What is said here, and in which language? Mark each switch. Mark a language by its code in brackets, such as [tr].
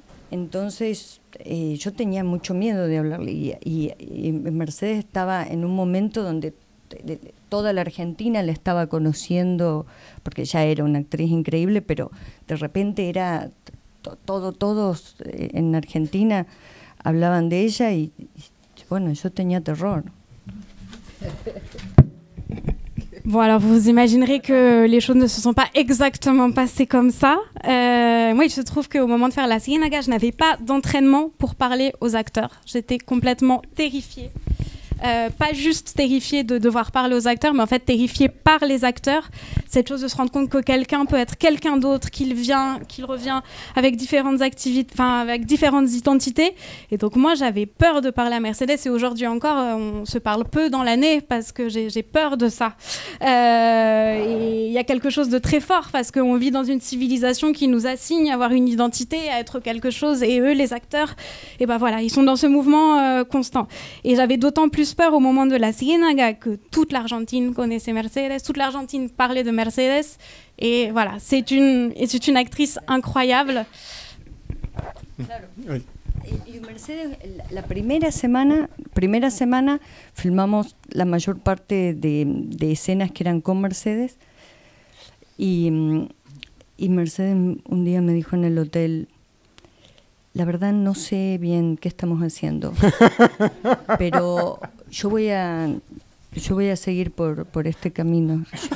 [es] Entonces, yo tenía mucho miedo de hablarle y Mercedes estaba en un momento donde toda la Argentina la estaba conociendo porque ya era una actriz increíble, pero de repente era todos en Argentina hablaban de ella y bueno, yo tenía terror. [fr] Bon, alors vous imaginerez que les choses ne se sont pas exactement passées comme ça. Moi, il se trouve qu'au moment de faire la Ciénaga, je n'avais pas d'entraînement pour parler aux acteurs. J'étais complètement terrifiée. Pas juste terrifiée de devoir parler aux acteurs, mais en fait terrifiée par les acteurs. Cette chose de se rendre compte que quelqu'un peut être quelqu'un d'autre, qu'il vient, qu'il revient avec différentes activités, enfin avec différentes identités. Et donc moi j'avais peur de parler à Mercedes et aujourd'hui encore on se parle peu dans l'année parce que j'ai peur de ça. Et il y a quelque chose de très fort parce qu'on vit dans une civilisation qui nous assigne à avoir une identité, à être quelque chose et eux les acteurs, et ben voilà, ils sont dans ce mouvement constant. Et j'avais d'autant plus peur au moment de la Ciénaga que toute l'Argentine connaissait Mercedes, toute l'Argentine parlait de Mercedes et voilà, c'est une actrice incroyable. [es] Claro. [fr] Oui. [es] Y Mercedes la primera semana filmamos la mayor parte de escenas que eran con Mercedes y Mercedes un día me dijo en el hotel: la verdad no sé bien qué estamos haciendo, pero yo voy a seguir por este camino.